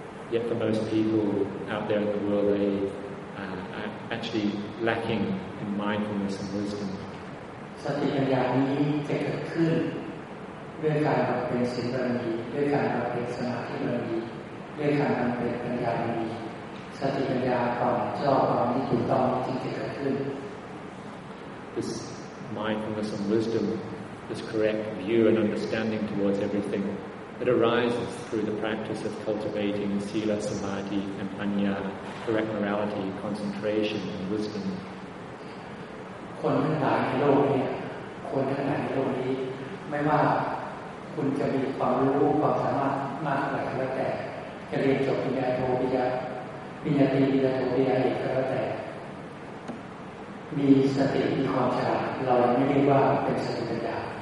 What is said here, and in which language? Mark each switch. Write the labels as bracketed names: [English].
[English] Yet for most people out there in the world, they are actually lacking in mindfulness and wisdom. [Thai] สติปัญญานี้จะเกิดขึ้นด้วยการเราเป็นศีลบารมีด้วยการเราเป็นสมาธิบารมีด้วยการเราเป็นปัญญาบารมีสติปัญญาความชอบความที่ถูกต้องที่จะเกิดขึ้น [English] This mindfulness and wisdom, this correct view and understanding towards everything. It arises through the practice of cultivating sila, samadhi, and panya, correct morality, concentration, and wisdom. [Thai] คนทั้งหลายในโลกนี้คนทั้งหลายในโลกนี้ไม่ว่าคุณจะมีความรู้ความสามารถมากเท่าไหร่ก็แต่จะเรียนจบปริญญาโทปริญญาตรีปริญญาโทปริญญาเอกก็แล้วแต่มีสติมีความฉลาดเราไม่เรียกว่าเป็นสติปัญญา